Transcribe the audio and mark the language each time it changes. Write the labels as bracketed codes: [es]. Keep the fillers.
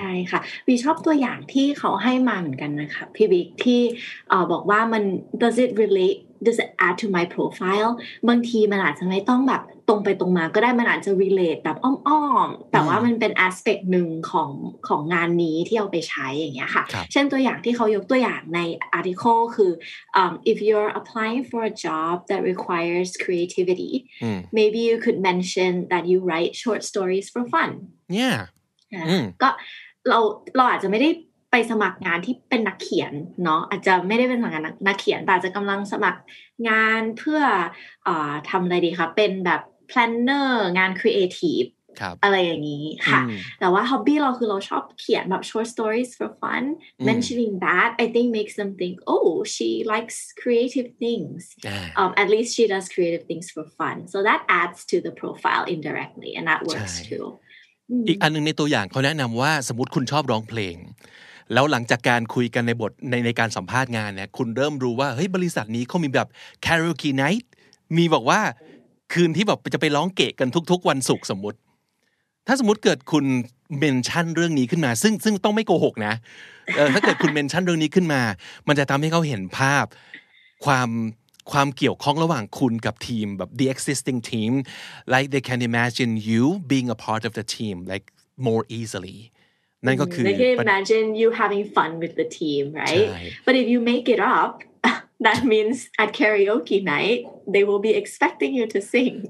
[th] ใช่ค่ะบีชอบตัวอย่างที่เขาให้มาเหมือนกันนะคะพี่บิ๊กที่เอ่อบอกว่ามัน [en] does it relate does it add to my profile [th] บางทีมันอาจจะไม่ต้องแบบตรงไปตรงมาก็ได้มันอาจจะ relate แบบอ้อมๆ แต่ว่ามันเป็น aspect หนึ่งของของงานนี้ที่เอาไปใช้อย่างเงี้ยค่ะ ครับ เช่นตัวอย่างที่เขายกตัวอย่างใน article คือ um, [en] if you're applying for a job that requires creativity อืม maybe you could mention that you write short stories for fun yeah อ่า อืม [th] ก็เราเราอาจจะไม่ได้ไปสมัครงานที่เป็นนักเขียนเนาะอาจจะไม่ได้เป็นสมัครงานนักนักเขียนแต่อาจจะกำลังสมัครงานเพื่อเออทำอะไรดีคะเป็นแบบ planner งาน creative ครับ อะไรอย่างนี้ค่ะ อืม แต่ว่า hobby เราคือเราชอบเขียนแบบ [en] short stories for fun อืม mentioning that I think makes them think oh she likes creative things อ่า um, at least she does creative things for fun so that adds to the profile indirectly and that works [th] ใช่ [en] too ม [th] อีกอันหนึงในตัวอย่างเขาแนะนำว่าสมมติคุณชอบร้องเพลง แล้วหลังจากการคุยกันในบทในในการสัมภาษณ์งานเนี่ยคุณเริ่มรู้ว่าเฮ้ยบริษัทนี้เขามีแบบ karaoke night มีบอกว่าคืนที่แบบจะไปร้องเกะกันทุก ๆ วันศุกร์สมมติ ถ้าสมมติเกิดคุณเมนชั่นเรื่องนี้ขึ้นมา ซึ่งซึ่งต้องไม่โกหกนะเออถ้าเกิดคุณเมนชั่นเรื่องนี้ขึ้นมา มันจะทำให้เขาเห็นภาพ ความความเกี่ยวข้องระหว่างคุณกับทีมแบบ [en] the existing team like they can imagine you being a part of the team like more easily [th] นั่นก็คือ [en] They can imagine you having fun with the team, [th] ใช่ [en] right? But if you make it up, that means at karaoke night, they will be expecting you to sing.